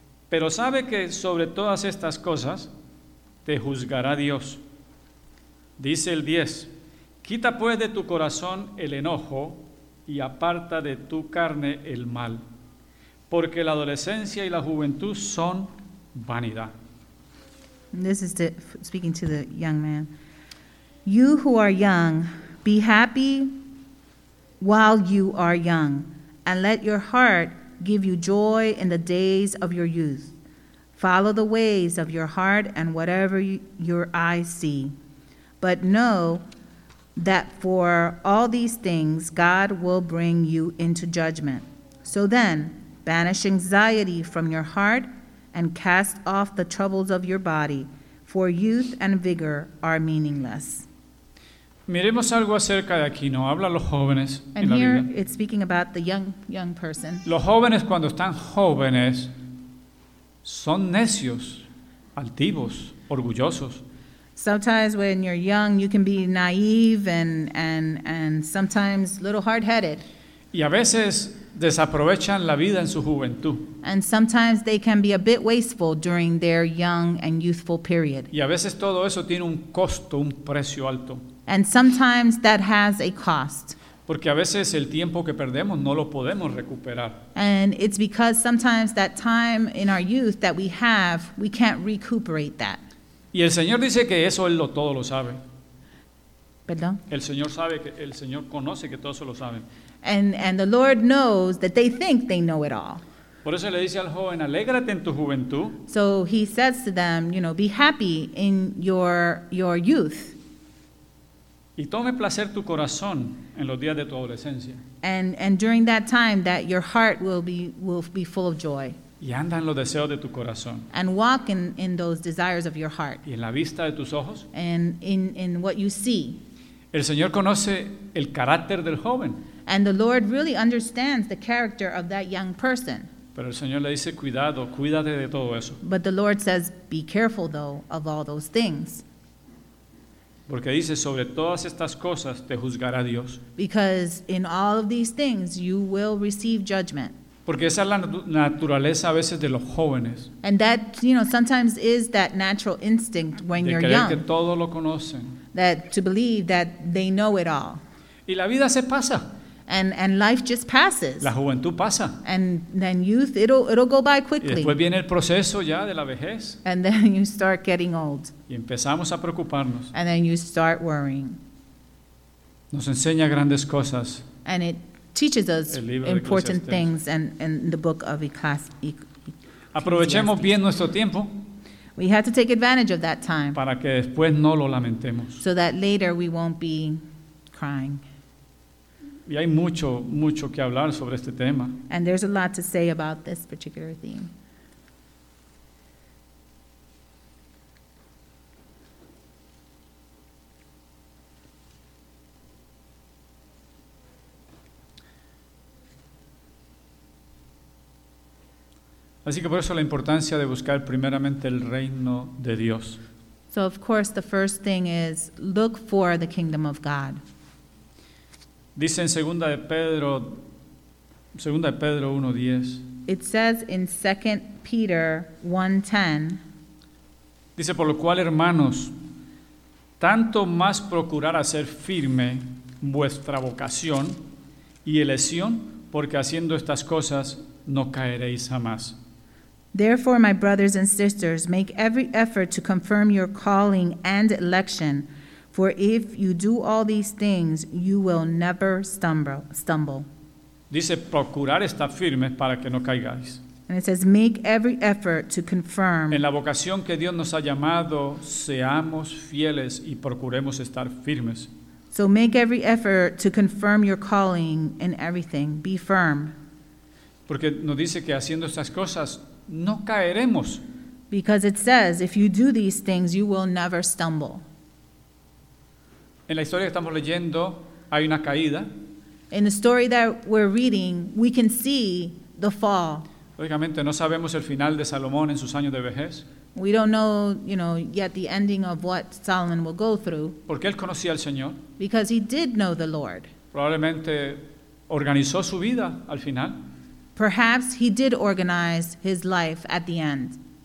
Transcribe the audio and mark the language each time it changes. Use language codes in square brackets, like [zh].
[es] Pero sabe que sobre todas estas cosas te juzgará Dios. Dice el 10, quita pues de tu corazón el enojo y aparta de tu carne el mal, porque la adolescencia y la juventud son vanidad. [en] This is speaking to the young man. You who are young, be happy while you are young, and let your heart give you joy in the days of your youth. Follow the ways of your heart and whatever your eyes see. But know that for all these things, God will bring you into judgment. So then, banish anxiety from your heart and cast off the troubles of your body, for youth and vigor are meaningless. [es] Miremos algo acerca de aquí, ¿no? Habla a los jóvenes en la Biblia. [en] And here it's speaking about the young person. [es] Los jóvenes cuando están jóvenes son necios, altivos, orgullosos. [en] Sometimes when you're young, you can be naive and sometimes a little hard-headed. [es] Y a veces desaprovechan la vida en su juventud. [en] And sometimes they can be a bit wasteful during their young and youthful period. [es] Y a veces todo eso tiene un costo, un precio alto. [en] And sometimes that has a cost. [es] Porque a veces el tiempo que perdemos no lo podemos recuperar. [en] And it's because sometimes that time in our youth that we have, we can't recuperate that. [es] Y el Señor dice que eso Él todo lo sabe. ¿Perdón? El Señor sabe, que el Señor conoce que todos lo saben. [en] And the Lord knows that they think they know it all. [es] Por eso le dice al joven, alégrate en tu juventud. [en] So he says to them, you know, be happy in your youth. [es] Y tome placer tu corazón en los días de tu adolescencia. [en] And during that time that your heart will be full of joy. [es] Y anda en los deseos de tu corazón. [en] And walk in those desires of your heart. [es] Y en la vista de tus ojos. [en] And in what you see. [es] El Señor conoce el carácter del joven. [en] And the Lord really understands the character of that young person. [es] Pero el Señor le dice, cuidado, cuídate de todo eso. [en] But the Lord says, be careful though of all those things. [es] Porque dice, sobre todas estas cosas te juzgará Dios. [en] Because in all of these things you will receive judgment. [es] Porque esa es la naturaleza a veces de los jóvenes. [en] And that, you know, sometimes is that natural instinct when [es] de [en] you're [es] creer [en] young. [es] Que todo lo conocen. [en] That to believe that they know it all. [es] Y la vida se pasa. [en] And life just passes. [es] La juventud pasa. [en] And then youth, it'll go by quickly. [es] Y después viene el proceso ya de la vejez. [en] And then you start getting old. [es] Y empezamos a preocuparnos. [en] And then you start worrying. [es] Nos enseña grandes cosas. [en] And it teaches us important things and the book of Ecclesiastes. [es] Aprovechemos bien nuestro tiempo. [en] We have to take advantage of that time. [es] Para que después no lo lamentemos. [en] So that later we won't be crying. [es] Y hay mucho, mucho que hablar sobre este tema. [en] And there's a lot to say about this particular theme. [es] Así que por eso la importancia de buscar primeramente el reino de Dios. [en] So of course the first thing is look for the kingdom of God. [es] Dice en segunda de Pedro 1:10. [en] It says in 2 Peter 1:10. [es] Dice por lo cual hermanos, tanto más procurar hacer firme vuestra vocación y elección, porque haciendo estas cosas no caeréis jamás. [en] Therefore, my brothers and sisters, make every effort to confirm your calling and election, for if you do all these things, you will never stumble. [es] Dice, procurar estar firmes para que no caigáis. [en] And it says, make every effort to confirm. [es] En la vocación que Dios nos ha llamado, seamos fieles y procuremos estar firmes. [en] So make every effort to confirm your calling in everything. Be firm. [es] Porque nos dice que haciendo estas cosas, no caeremos. [en] Because it says, if you do these things, you will never stumble. [es] En la historia que estamos leyendo, hay una caída. [en] In the story that we're reading, we can see the fall. [es] Lógicamente, no sabemos el final de Salomón en sus años de vejez. [en] We don't know, you know, yet the ending of what Solomon will go through. [es] Porque él conocía al Señor. [en] Because he did know the Lord. [es] Probablemente organizó su vida al final. [en] Perhaps he did organize his life at the end.